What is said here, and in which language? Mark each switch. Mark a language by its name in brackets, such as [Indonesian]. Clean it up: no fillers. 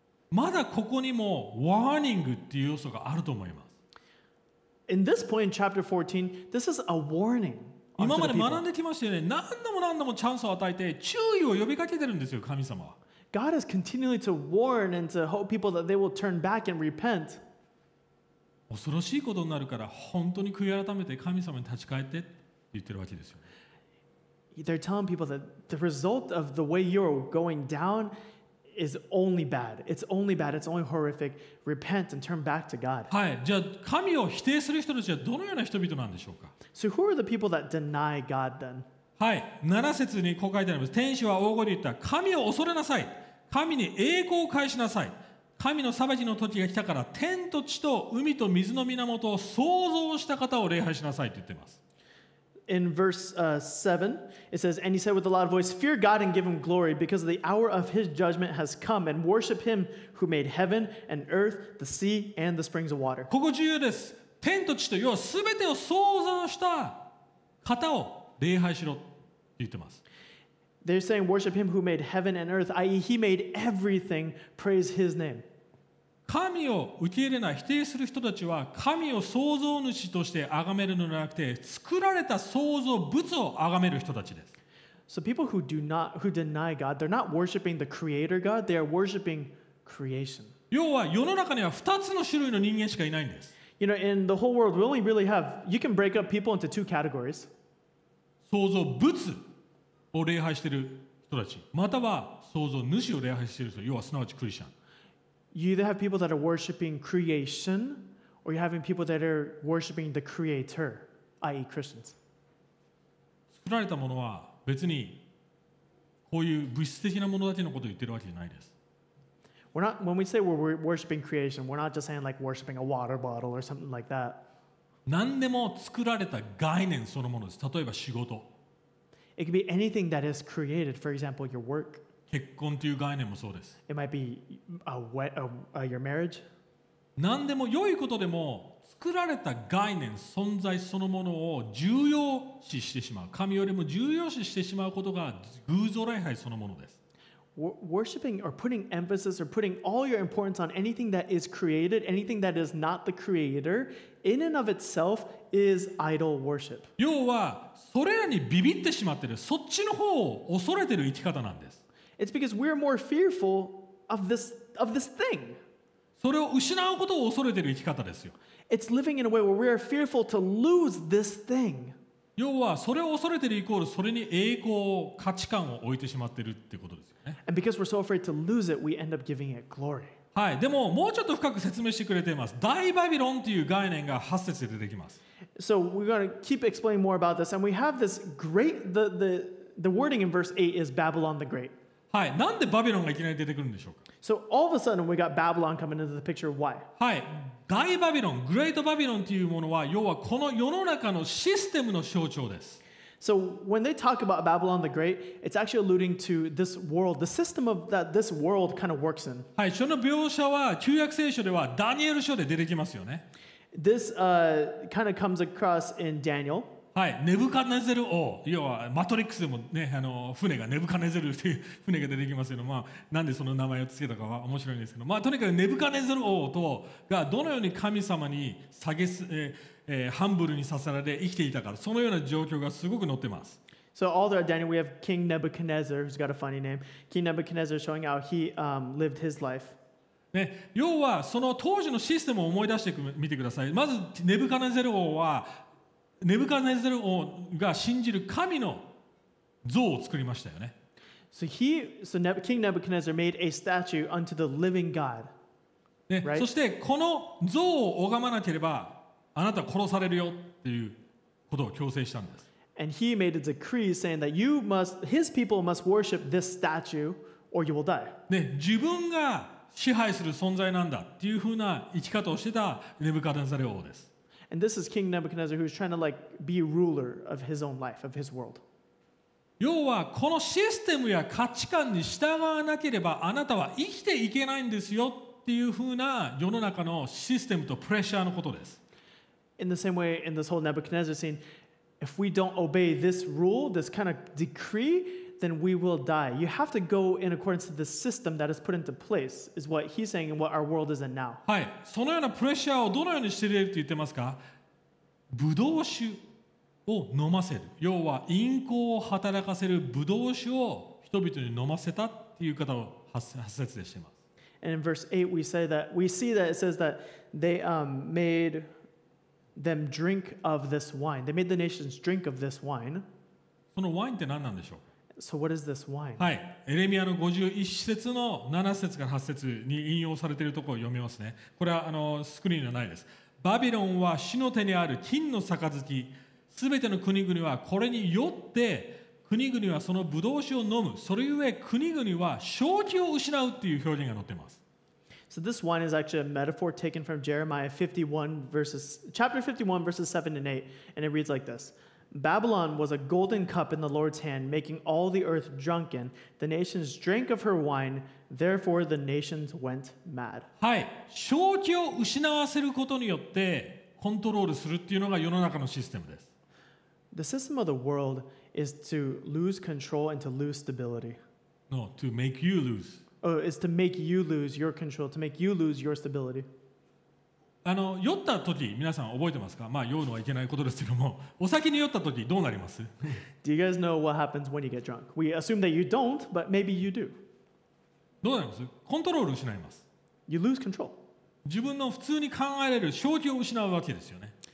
[Japanese] まだここにもワーニングっていう要素があると思います。 [English] In this point in chapter 14, this is a warning. [Japanese] 今まで学んできましたよね。何度も何度もチャンスを与えて注意を呼びかけてるんですよ、神様は。 [English] God is continually to warn and to hope people that they will turn back and repent. [Japanese] 恐ろしいことになるから本当に悔い改めて神様に立ち返ってって言ってるわけですよ。 [English] They're telling people that the result of the way you're going down is only bad. It's only bad. It's only horrific. Repent and turn back to God. [Japanese] はい。じゃあ神を否定する人たちはどのような人々なんでしょうか。 [English] So who are the people that deny God then? [Japanese] はい。 7節にこう書いてあります。天使は大声で言った。神を恐れなさい。神に栄光を返しなさい。神の裁きの時が来たから天と地と海と水の源を創造した方を礼拝しなさいと言ってます。 [English] In verse 7, it says, And he said with a loud voice, Fear God and give him glory, because the hour of his judgment has come, and worship him who made heaven and earth, the sea and the springs of water. [Japanese] ここ重要です。天と地と要はすべてを創造した方を礼拝しろって言ってます。 [English] They're saying, Worship him who made heaven and earth, i.e. he made everything, praise his name. [Japanese] 神を受け入れない否定する人たちは神を創造主として崇めるのではなくて作られた創造物を崇める人たちです。 [English] So people who deny God, they're not worshiping the creator God, they are worshiping creation. [Japanese] 要は世の中には2つの種類の人間しかいないんです。 [English] You know, in the whole world, we only really have, you can break up people into two categories. [Japanese] 創造物を礼拝している人たち、または創造主を礼拝している人、要はすなわちクリスチャン。 [English] You either have people that are worshiping creation, or you're having people that are worshiping the creator, i.e. Christians. [Japanese] 作られたものは別にこういう物質的なものだけのことを言ってるわけじゃないです。 [English] We're not, when we say we're worshiping creation, we're not just saying like worshiping a water bottle or something like that. [Japanese] 何でも作られた概念そのものです。例えば仕事。 [English] It could be anything that is created. For example, your work. [Japanese] 結婚という概念もそうです。 [English] It might be your marriage. [Japanese] 何でも良いことでも作られた概念、存在そのものを重要視してしまう。神よりも重要視してしまうことが偶像礼拝そのものです。 [English] Worshipping or putting emphasis or putting all your importance on anything that is created, anything that is not the creator, in and of itself is idol worship. [Japanese] 要はそれらにビビってしまってる、そっちの方を恐れてる生き方なんです。 [English] It's because we're more fearful of this thing. [Japanese] それを失うことを恐れてる生き方ですよ。 [English] It's living in a way where we are fearful to lose this thing. [Japanese] 要はそれを恐れているイコールそれに栄光を価値観を置いてしまっているってことですよね。 [English] And because we're so afraid to lose it, we end up giving it glory. [Japanese] はい、でももうちょっと深く説明してくれています。大バビロンという概念が8節で出てきます。 [English] So we're going to keep explaining more about this, and we have this great the wording in verse 8 is Babylon the Great. [Japanese] はい、なんでバビロンがいきなり出てくるんでしょうか。 [English] So all of a sudden we got Babylon coming into the picture. Why? [Japanese] はい。大バビロン、グレートバビロンというものは、要はこの世の中のシステムの象徴です。 [English] So when they talk about Babylon the Great, it's actually alluding to this world, the system of that this world kind of works in. [Japanese] はい、その描写は旧約聖書ではダニエル書で出てきますよね。 [English] This kind of comes across in Daniel. [Japanese] はい、ネブカネゼル王、要はマトリックスでもね、あの船がネブカネゼルっていう船が出てきますけど、まあなんでその名前をつけたかは面白いんですけど、まあとにかくネブカネゼル王とがどのように神様に蔑ハンブルにさせられて生きていたから、そのような状況がすごく載ってます。 [English] So all throughout Daniel, we have King Nebuchadnezzar, who's got a funny name. King Nebuchadnezzar showing how he lived his life. [Japanese] ね、要はその当時のシステムを思い出してみてください。まずネブカネゼル王はネブカネゼル王が信じる神の像を作りましたよね。 [English] So King Nebuchadnezzar made a statue unto the living God. [Japanese] ね、そしてこの像を拝まなければあなたは殺されるよっていうことを強制したんです。 [English] And he made a decree saying that his people must worship this statue or you will die. [Japanese] ね、自分が支配する存在なんだっていうふうな生き方をしてたネブカデネザル王です。 [English] And this is King Nebuchadnezzar who's trying to like be ruler of his own life, of his world. [Japanese] 要はこのシステムや価値観に従わなければあなたは生きていけないんですよっていうふうな世の中のシステムとプレッシャーのことです。 [English] In the same way, in this whole Nebuchadnezzar scene, if we don't obey this rule, this kind of decree, then we will die. You have to go in accordance to the system that is put into place, is what he's saying and what our world is in now. [Japanese] はい。そのようなプレッシャーをどのようにしていると言ってますか？ブドウ酒を飲ませる。要は、陰行を働かせるブドウ酒を人々に飲ませたっていう方を発説でしています。 [English] And in verse 8, we see that it says that they made them drink of this wine. They made the nations drink of this wine. [Japanese] そのワインって何なんでしょう？ [English] So what is this wine? [Japanese] はい、エレミアの51節の7節から8節に引用されているところを読みますね。これはあのスクリーンではないです。バビロンは死の手にある金の杯、すべての国々はこれに酔って国々はそのブドウ酒を飲む、それゆえ国々は正気を失うという表現が載っています。 [English] So this wine is actually a metaphor taken from Jeremiah 51 verses, chapter 51 verses 7 and 8, and it reads like this. Babylon was a golden cup in the Lord's hand, making all the earth drunken. The nations drank of her wine, therefore the nations went mad. [Japanese] はい、正気を失わせることによってコントロールするっていうのが世の中のシステムです。 [English] The system of the world is to lose control and to lose stability. No, to make you lose. Oh, it's to make you lose your control, to make you lose your stability. [Japanese] あの酔ったとき皆さん覚えてますか、まあ、酔うのはいけないことですけども、お酒に酔ったときどうなります？ [English] Do you guys know what happens when you get drunk? We assume that you don't, but maybe you do. [Japanese] どうなります？コントロール失います。 [English] You lose control. [Japanese] 自分の普通に考えれる正気を失うわけですよね。